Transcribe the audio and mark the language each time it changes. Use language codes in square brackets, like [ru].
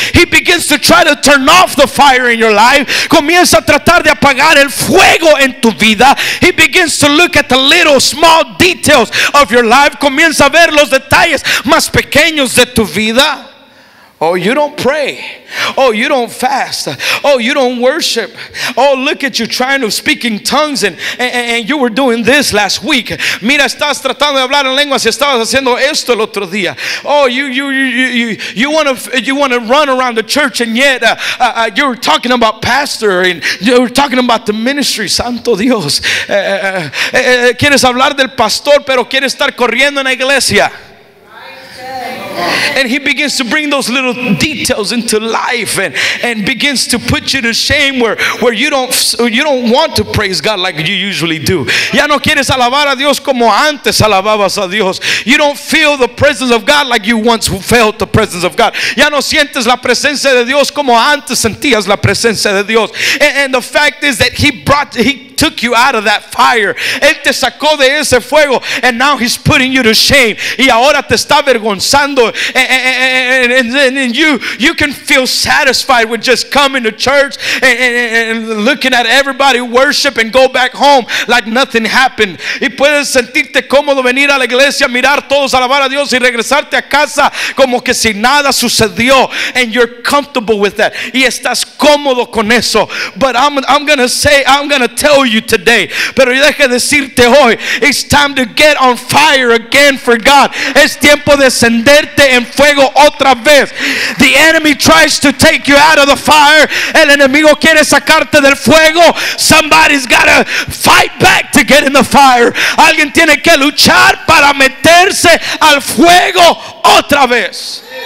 [en] He begins to try to turn off the fire in your life. [es] Comienza a tratar de apagar el fuego en tu vida. [en] He begins to look at the little small details of your life. [es] Comienza a ver los detalles más pequeños de tu vida. [en] Oh, you don't pray. Oh, you don't fast. Oh, you don't worship. Oh, look at you trying to speak in tongues and you were doing this last week. [es] Mira, estás tratando de hablar en lenguas y estabas haciendo esto el otro día. [en] Oh, you want to run around the church and yet you were talking about pastor and you were talking about the ministry. [es] Santo Dios. Quieres hablar del pastor, pero quieres estar corriendo en la iglesia. [en] And he begins to bring those little details into life and begins to put you to shame where you don't want to praise God like you usually do. [es] Ya no quieres alabar a Dios como antes alababas a Dios. [en] You don't feel the presence of God like you once felt the presence of God. [es] Ya no sientes la presencia de Dios como antes sentías la presencia de Dios. [en] And the fact is that he took you out of that fire. [es] Él te sacó de ese fuego, [en] and now he's putting you to shame. [es] Y ahora te está avergonzando. [en] And you can feel satisfied with just coming to church and looking at everybody worship and go back home like nothing happened. [es] Y puedes sentirte cómodo venir a la iglesia, mirar todos alabar a Dios y regresarte a casa como que si nada sucedió. [en] And you're comfortable with that. [es] Y estás cómodo con eso. [en] But I'm gonna tell you. You today, [es] pero deja decirte hoy, [en] it's time to get on fire again for God. [es] Es tiempo de encenderte en fuego otra vez. [en] The enemy tries to take you out of the fire. [es] El enemigo quiere sacarte del fuego. [en] Somebody's gotta fight back to get in the fire. [es] Alguien tiene que luchar para meterse al fuego otra vez.